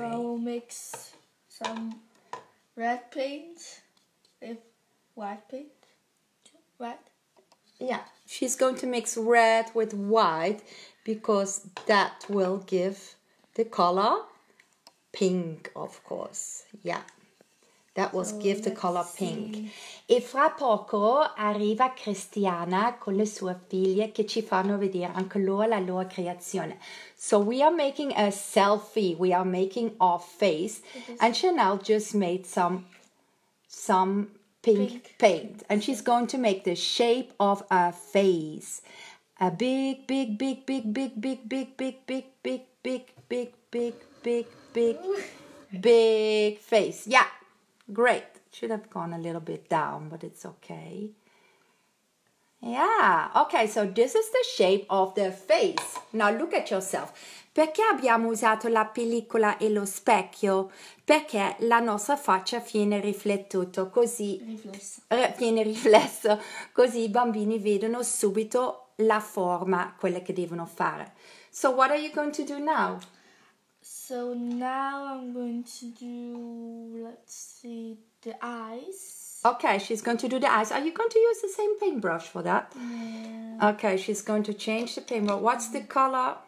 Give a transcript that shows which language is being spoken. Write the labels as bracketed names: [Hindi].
[English] So I will mix some red paint with white paint. Red? Yeah, she's going to mix red with white because that will give the color pink, of course. Yeah, that will give the color pink. [Italian] E fra poco arriva Cristiana con le sue figlie che ci fanno vedere anche loro la loro creazione. [English] So we are making a selfie, we are making our face, and Chanel just made some pink paint, and she's going to make the shape of a face, a big face. Yeah, great. Should have gone a little bit down, but it's okay. Yeah, okay, so this is the shape of the face. Now look at yourself. [Italian] Perché abbiamo usato la pellicola e lo specchio? Perché la nostra faccia viene riflettuto così, viene riflesso, così i bambini vedono subito la forma, quella che devono fare. [English] So what are you going to do now? So now I'm going to do, let's see, the eyes. Okay, she's going to do the eyes. Are you going to use the same paintbrush for that? Yeah. Okay, she's going to change the paintbrush. What's the color?